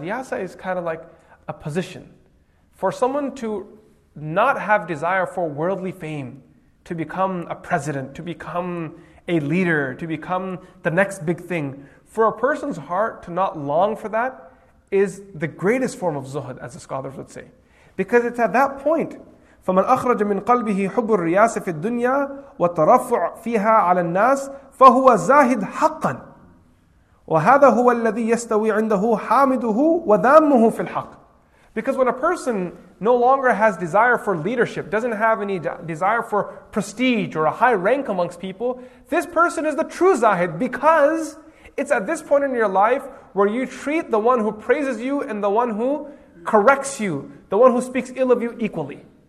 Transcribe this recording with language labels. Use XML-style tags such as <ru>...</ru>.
<en>Riyasa is kind of like a position. For someone to not have desire for worldly fame, to become a president, to become a leader, to become the next big thing, for a person's heart to not long for that is the greatest form of zuhd, as the scholars would say. Because it's at that point,</en> <ar>فَمَنْ أَخْرَجَ مِنْ قَلْبِهِ حُبُّ الرِّيَاسِ فِي الدُّنْيَا وَتَرَفُعْ فِيهَا عَلَى النَّاسِ فَهُوَ زَاهِدْ حَقًّا وَهَذَا هُوَ الَّذِي يَسْتَوِي عِنْدَهُ حَامِدُهُ وَذَامُّهُ فِي الْحَقِّ.</ar> <en>Because when a person no longer has desire for leadership, doesn't have any desire for prestige or a high rank amongst people, this person is the true zahid, because it's at this point in your life where you treat the one who praises you and the one who corrects you, the one who speaks ill of you, equally.</en>